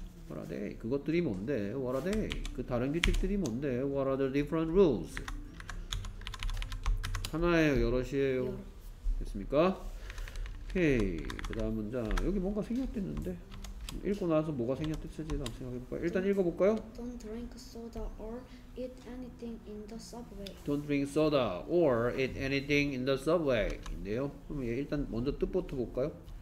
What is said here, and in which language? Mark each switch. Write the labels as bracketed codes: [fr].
[en] What are they? [ko] 그것들이 뭔데? [en] What are they? [ko] 그 다른 규칙들이 뭔데? [en] What are the different rules? [ko] 하나예요? 여럿이에요? 됐습니까? 오케이. 그 다음 문장. 여기 뭔가 생략됐는데? 읽고 나서 뭐가 생략됐을지 한번 생각해볼까요? 일단 읽어볼까요? [en] Don't drink soda or eat anything in the subway. Don't drink soda or eat anything in the subway. [ko] 인데요? 그럼 얘 일단 먼저 뜻부터 볼까요?